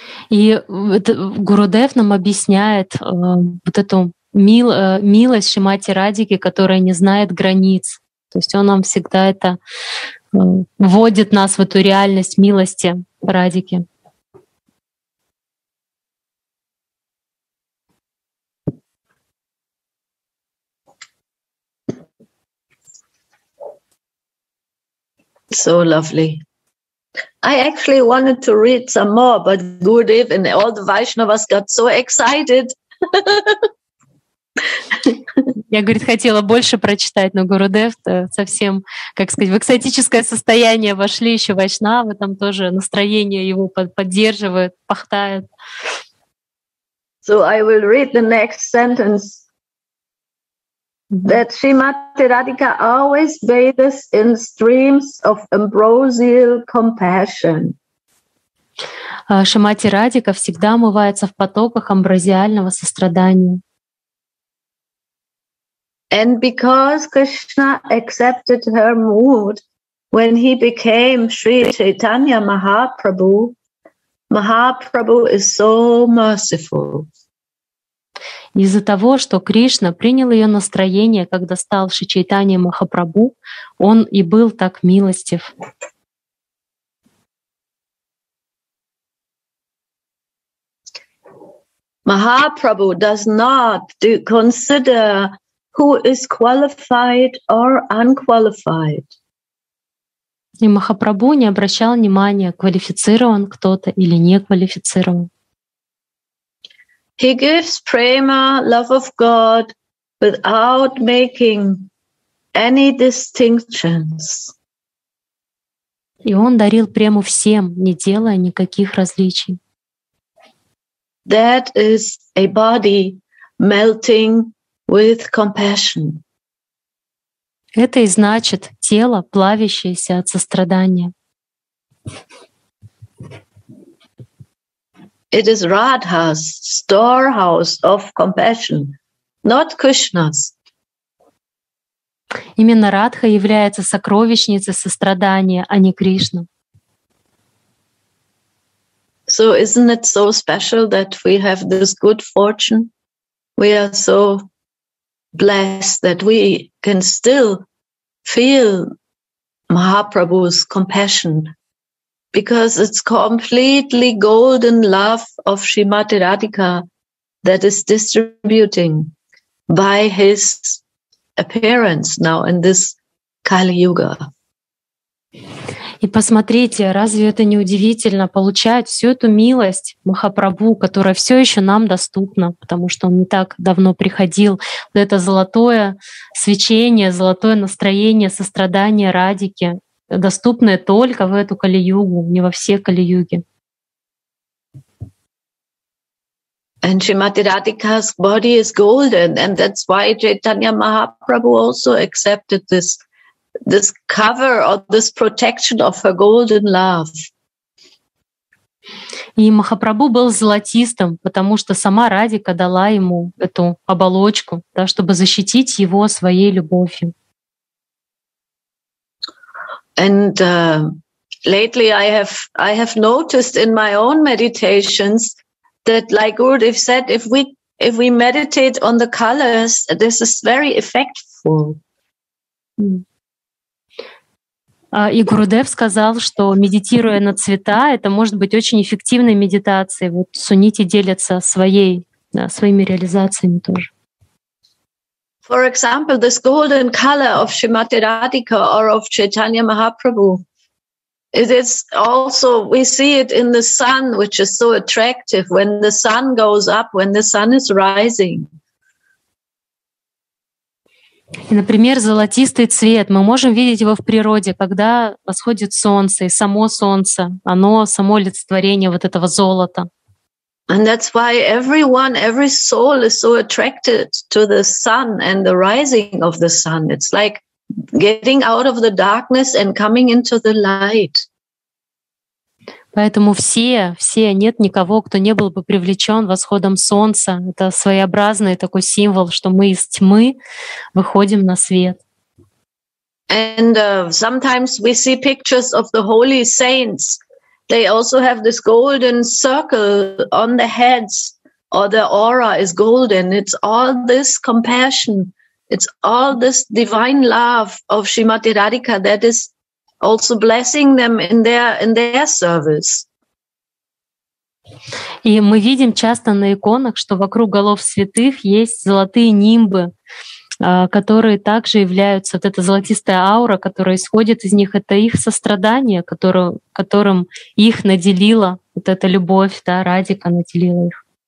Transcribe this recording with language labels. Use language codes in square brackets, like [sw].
[ru] И Гурудев нам объясняет вот эту милость Шримати Радики, которая не знает границ. То есть он нам всегда это вводит нас в эту реальность милости Радики. [en] So lovely. I actually wanted to read some more, but Gurudev and all the Vaishnavas got so excited. [ru] Я, говорит, хотела больше прочитать, но Гурудев совсем, как сказать, в экстатическое состояние вошли еще Вайшнавы, там тоже настроение его поддерживает, пахтает. [en] So I will read the next sentence. That Shrimati Radhika always bathes in streams of ambrosial compassion. [ru] Шримати Радика всегда омывается в потоках амбразиального сострадания. [en] And because Krishna accepted her mood when he became Sri Chaitanya Mahaprabhu, Mahaprabhu is so merciful. [ru] Из-за того, что Кришна принял ее настроение, когда стал Шри Чайтанья Махапрабху, он и был так милостив. [en] Махапрабху does not consider who is qualified or unqualified. [ru] И Махапрабху не обращал внимания, квалифицирован кто-то или не квалифицирован. [en] He gives prema, love of God, without making any distinctions. [ru] И он дарил прему всем, не делая никаких различий. [en] That is a body melting with compassion. [ru] Это и значит тело, плавящееся от сострадания. [en] It is Radha's storehouse of compassion, not Krishna's. [ru] Именно Радха является сокровищницей сострадания, а не Кришна. [en] So isn't it so special that we have this good fortune? We are so blessed that we can still feel Mahaprabhu's compassion. Because it's completely golden love of Shrimati Radhika that is distributing by his appearance now in this Kali Yuga. [ru] И посмотрите, разве это не удивительно получать всю эту милость Махапрабху, которая все еще нам доступна, потому что он не так давно приходил. Вот это золотое свечение, золотое настроение, сострадание Радики. Доступны только в эту Кали-югу, не во все Кали-юги. [en] And Shrimati Radhika's body is golden, and that's why Chaitanya Mahaprabhu also accepted this this cover or this protection of her golden love. [ru] И Махапрабху был золотистым, потому что сама Радика дала ему эту оболочку, да, чтобы защитить его своей любовью. [en] And lately I have noticed in my own meditations that, like Gurudev said, if we meditate on the colors, this is very effective. [ru] И Гурудев сказал, что медитируя на цвета, это может быть очень эффективной медитацией. Вот сунити делятся своими реализациями тоже. [en] For example, this golden color of Srimati Radhika or of Chaitanya Mahaprabhu. It is also, we see it in the sun, which is so attractive when the sun goes up, when the sun is rising. [ru] И, например, золотистый цвет. Мы можем видеть его в природе, когда восходит солнце, и само солнце, оно само олицетворение вот этого золота. [en] And that's why everyone, every soul is so attracted to the sun and the rising of the sun. It's like getting out of the darkness and coming into the light. [ru] Поэтому все, нет никого, кто не был бы привлечен восходом солнца. Это своеобразный такой символ, что мы из тьмы выходим на свет. [en] And sometimes we see pictures of the holy saints. They also have this golden circle on their heads, or their aura is golden. It's all this compassion, it's all this divine love of Srimati Radhika that is also blessing them in their service. [ru] И мы видим часто на иконах, что вокруг голов святых есть золотые нимбы, которые также являются, вот эта золотистая аура, которая исходит из них, это их сострадание, которым их наделила, вот эта любовь, да, Радика наделила их.